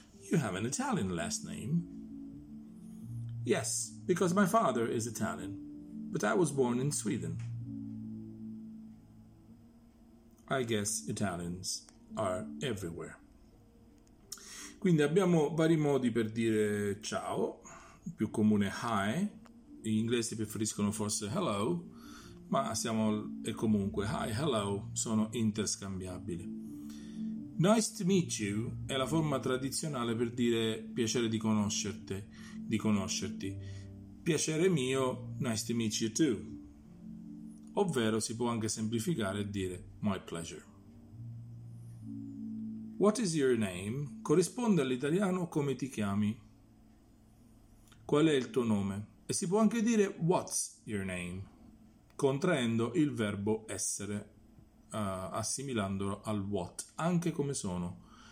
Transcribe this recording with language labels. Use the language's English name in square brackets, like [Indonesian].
[English] You have an Italian last name? Yes, because my father is Italian, but I was born in Sweden. I guess Italians are everywhere. [Italian] Quindi abbiamo vari modi per dire ciao, più comune hi. Gli inglesi preferiscono forse hello, ma siamo e comunque hi, hello sono interscambiabili. [English] Nice to meet you [Italian] è la forma tradizionale per dire piacere di conoscerti, di conoscerti. Piacere mio, [English] nice to meet you too. [Italian] Ovvero si può anche semplificare e dire [English] my pleasure. What is your name? [Italian] Corrisponde all'italiano come ti chiami. Qual è il tuo nome? E si può anche dire [English] what's your name, [Italian] contraendo il verbo essere, assimilandolo al what, anche come sono.